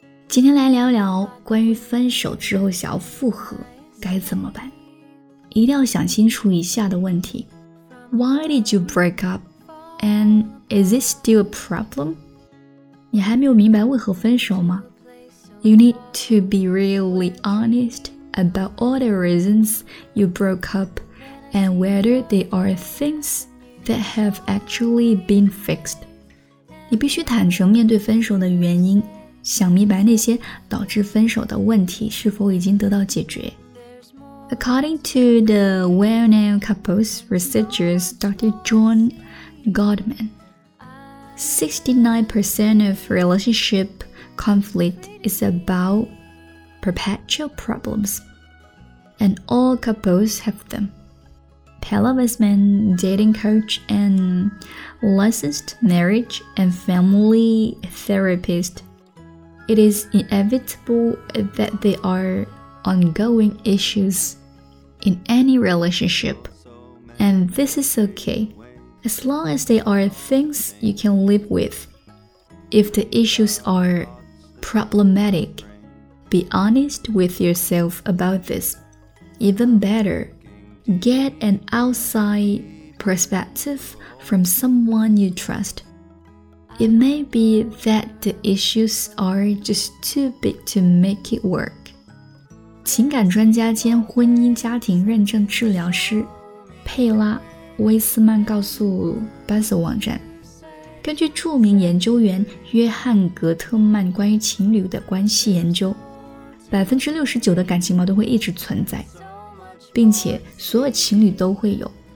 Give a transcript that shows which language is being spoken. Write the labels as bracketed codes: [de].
[zh] 今天来聊聊关于分手之后想要复合该怎么办。一定要想清楚以下的问题。 [en] Why did you break up? And is it still a problem? [zh] 你还没有明白为何分手吗？ [en] You need to be really honest about all the reasons you broke up and whether they are things that have actually been fixed. [zh] 你必须坦诚面对分手的原因，想明白那些导致分手的问题是否已经得到解决。 [en] According to the well-known couples researchers Dr. John Gottman, 69% of relationshipconflict is about perpetual problems, and all couples have them. Pella Westman, dating coach and licensed marriage and family therapist, it is inevitable that there are ongoing issues in any relationship, and this is okay, as long as they are things you can live with. If the issues areproblematic, be honest with yourself about this. Even better, get an outside perspective from someone you trust. It may be that the issues are just too big to make it work. [zh] 情感专家兼婚姻家庭认证治疗师佩拉·威斯曼告诉 Buzzle 网站，根据著名研究员约翰·格特曼关于情侣的关系研究，69%的感情矛盾会一直存在，并且所有情侣都会有。